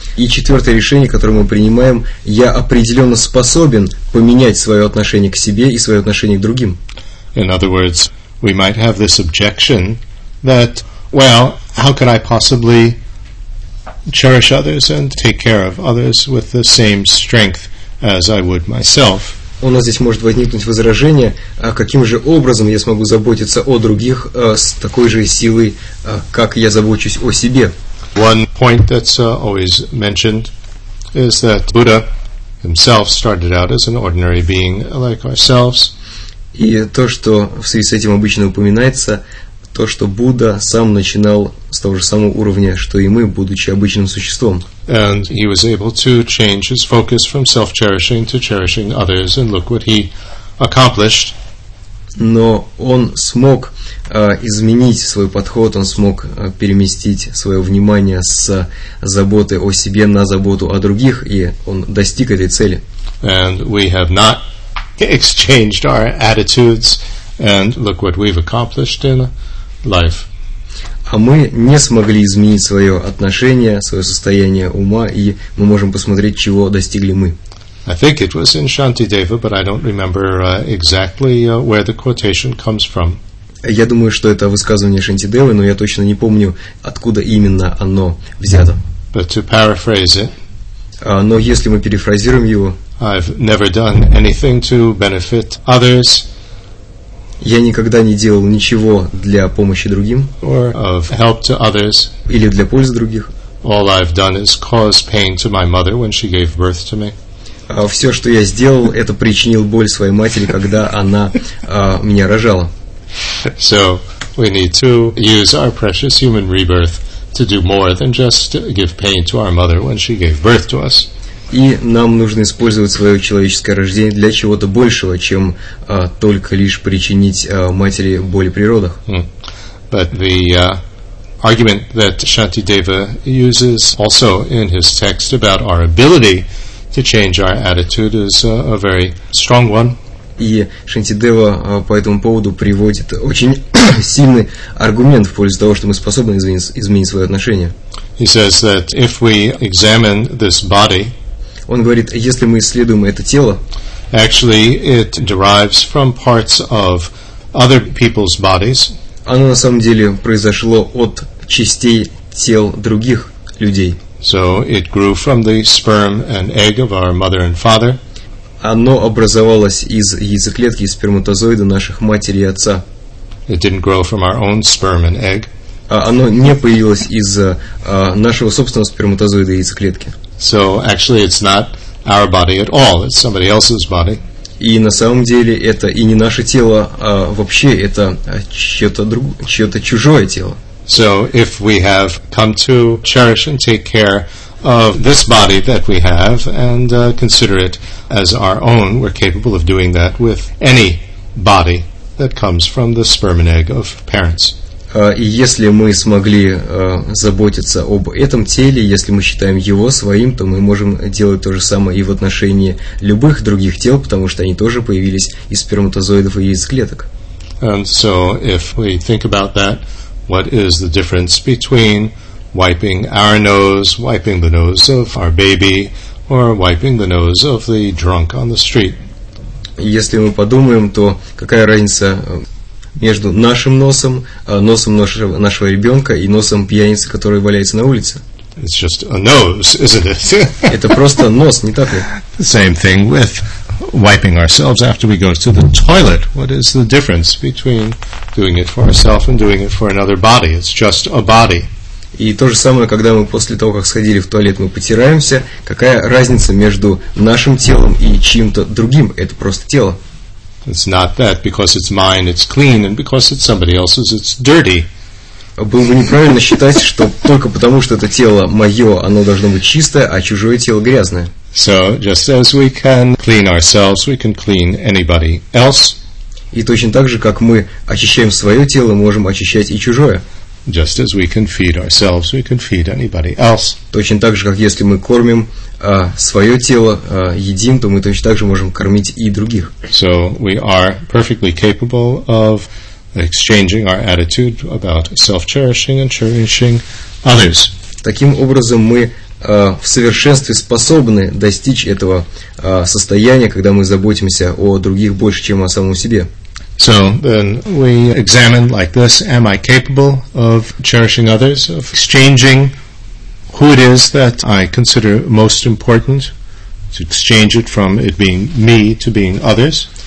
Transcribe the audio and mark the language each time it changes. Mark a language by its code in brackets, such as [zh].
[ru] И четвертое решение, которое мы принимаем, я определенно способен поменять свое отношение к себе и свое отношение к другим. [en] In other words, we might have this objection that, well, how could I possibly cherish others and take care of others with the same strength as I would myself? [ru] У нас здесь может возникнуть возражение, а каким же образом я смогу заботиться о других с такой же силой, как я забочусь о себе? [en] One point that's always mentioned is that Buddha himself started out as an ordinary being like ourselves. [ru] И то, что в связи с этим обычно упоминается, то, что Будда сам начинал с того же самого уровня, что и мы, будучи обычным существом. [en] And he was able to change his focus from self-cherishing to cherishing others, and look what he accomplished. [ru] Но он смог изменить свой подход, он смог переместить свое внимание с заботы о себе на заботу о других, и он достиг этой цели. [en] And we have not exchanged our attitudes, and look what we've accomplished in life. [ru] А мы не смогли изменить свое отношение, свое состояние ума, и мы можем посмотреть, чего достигли мы. [en] I think it was in Shantideva, but I don't remember exactly where the quotation comes from. [ru] Я думаю, что это высказывание Шантидевы, но я точно не помню, откуда именно оно взято. [en] But to paraphrase it, [ru] но если мы перефразируем его, [en] I've never done anything to benefit others. [ru] Я никогда не делал ничего для помощи другим. [en] Or of help to others. [ru] Или для пользы других. [en] All I've done is cause pain to my mother when she gave birth to me. [ru] Все, что я сделал, это причинил боль своей матери, когда она меня рожала. [en] So we need to use our precious human rebirth to do more than just give pain to our mother when she gave birth to us. [ru] И нам нужно использовать свое человеческое рождение для чего-то большего, чем только лишь причинить матери боль при родах. [en] But the argument that Shantideva uses also in his text about our ability to change our attitude is a very strong one. [ru] И Шантидева по этому поводу приводит очень сильный аргумент в пользу того, что мы способны изменить свое отношение. [en] He says that if we examine this body, [ru] он говорит, если мы исследуем это тело, [en] actually it derives from parts of other people's bodies, [ru] оно на самом деле произошло от частей тел других людей. [en] So it grew from the sperm and egg of our mother and father. [ru] Оно образовалось из яйцеклетки, из сперматозоида наших матери и отца. [en] It didn't grow from our own sperm and egg. [ru] Оно не появилось из нашего собственного сперматозоида и яйцеклетки. [en] So actually it's not our body at all, it's somebody else's body. [ru] И на самом деле это и не наше тело, а вообще это чье-то чужое тело. [en] So if we have come to cherish and take care of this body that we have and consider it as our own, we're capable of doing that with any body that comes from the sperm and egg of parents. [ru] И если мы смогли заботиться об этом теле, если мы считаем его своим, то мы можем делать то же самое и в отношении любых других тел, потому что они тоже появились из сперматозоидов и яйцеклеток. [en] And so if we think about that, what is the difference between wiping our nose, wiping the nose of our baby, or wiping the nose of the drunk on the street? [ru] Если мы подумаем, то какая разница между нашим носом, носом нашего ребенка и носом пьяницы, который валяется на улице? [en] It's just a nose, isn't it? [ru] Это просто нос, не так ли? [en] The same thing with wiping ourselves after we go to the toilet. What is the difference between doing it for ourselves and doing it for another body? It's just a body. [ru] И то же самое, когда мы после того, как сходили в туалет, мы потираемся. Какая разница между нашим телом и чьим-то другим? Это просто тело. [en] It's not that because it's mine, it's clean, and because it's somebody else's, it's dirty. [ru] Было бы неправильно считать, что только потому, что это тело мое, оно должно быть чистое, а чужое тело грязное. [en] So just as we can clean ourselves, we can clean anybody else. [ru] И точно так же, как мы очищаем свое тело, можем очищать и чужое. [en] Just as we can feed ourselves, we can feed anybody else. [ru] Точно так же, как если мы кормим свое тело, едим, то мы точно так же можем кормить и других. [en] So we are perfectly capable of exchanging our attitude about self-cherishing and cherishing others. [ru] Таким образом, мы в совершенстве способны достичь этого состояния, когда мы заботимся о других больше, чем о самом себе. [en] So then we examine like this, am I capable of cherishing others, of exchanging who it is that I consider most important, to exchange it from it being me to being others?